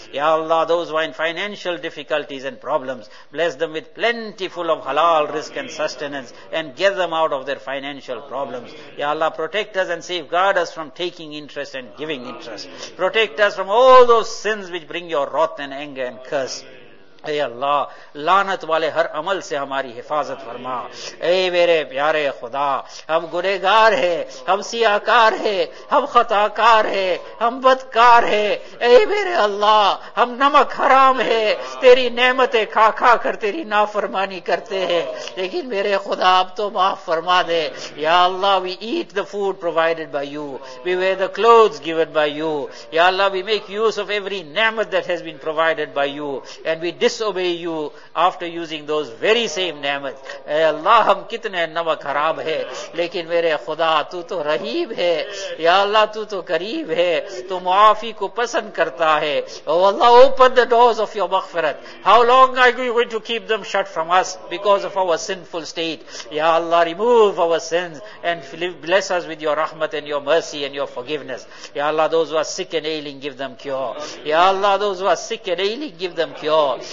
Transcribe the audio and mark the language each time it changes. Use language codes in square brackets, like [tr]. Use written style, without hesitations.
[en] Ya Allah, those who are in financial difficulties and problems, bless them with plentiful of halal risk and sustenance, and get them out of their financial problems. Ya Allah, protect us and safeguard us from taking interest and giving interest. Protect us from all those sins which bring your wrath and anger and curse. [ur] اے اللہ لعنت والے ہر عمل سے ہماری حفاظت فرما. اے میرے پیارے خدا, ہم گنہ گار ہیں, ہم سیاہ کار ہیں, ہم خطا کار ہیں, ہم بدکار ہیں. اے میرے اللہ, ہم نمک حرام ہے, تیری نعمتیں کھا کھا کر تیری نافرمانی کرتے ہیں, لیکن میرے خدا اب تو معاف فرما دے. [en] یا Allah, we eat the food provided by you, we wear the clothes given by you. یا Allah, we make use of every نعمت that has been provided by you, and we disobey you after using those very same نعمت. [ur] اے اللہ, ہم کتنے نمک حرام ہے, لیکن میرے خدا تو تو رحیم ہے. یا اللہ, تو تو قریب ہے, تو معافی کو پسند کرتا ہے. [en] او Allah, open the doors of your مغفرت. How long are you going to keep them shut from us because of our sinful state? یا Allah, remove our sins and bless us with your رحمت and your mercy and your forgiveness. یا Allah, those who are sick and ailing, give them cure. یا Allah, those who are sick and ailing, give them cure.